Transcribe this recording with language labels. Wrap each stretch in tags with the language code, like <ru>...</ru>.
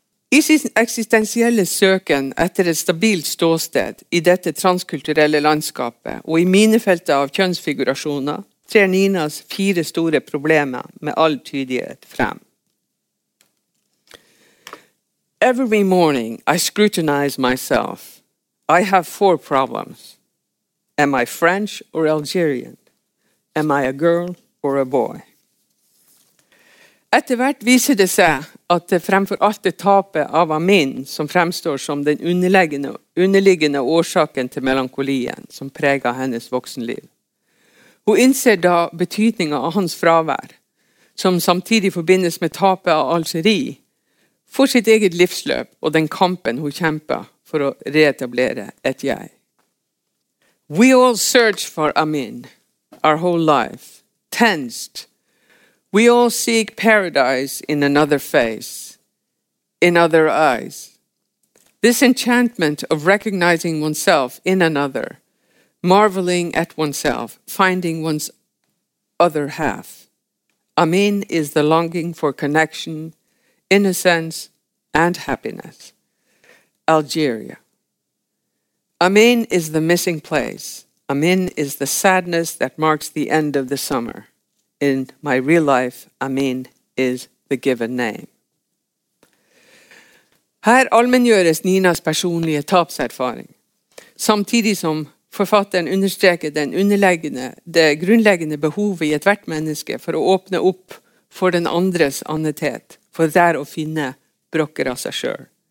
<no>I sin eksistensielle søken etter et stabilt ståsted I dette transkulturelle landskapet og I minefeltet av kjønnsfigurasjoner, trer Ninas fire store problemer med all tydelighet frem.</no> <en>Every morning I scrutinize myself. I have four problems. Am I French or Algerian? Am I a girl or a boy?</en> <no>Etter hvert viser det seg at det fremfor alt det tapet av Amin som fremstår som den underliggende årsaken til melankolien som preger hennes voksenliv. Hun innser da betydningen av hans fravær, som samtidig forbindes med tapet av Algeri, for sitt eget livsløp og den kampen hun kjemper for å reetablere et jeg.</no> <en>We all search for Amin, our whole life, tensed. We all seek paradise in another face, in other eyes. This enchantment of recognizing oneself in another, marveling at oneself, finding one's other half. Amin is the longing for connection, innocence, and happiness. Algeria. Amin is the missing place. Amin is the sadness that marks the end of the summer. In my real life, Amin is the given name.</en> <no>Her allmenngjøres Ninas personlige tapserfaring, samtidig som forfatteren understreker det grunnleggende behovet I et hvert menneske for å åpne opp for den andres annethet, for der å finne brokker av seg selv.</no>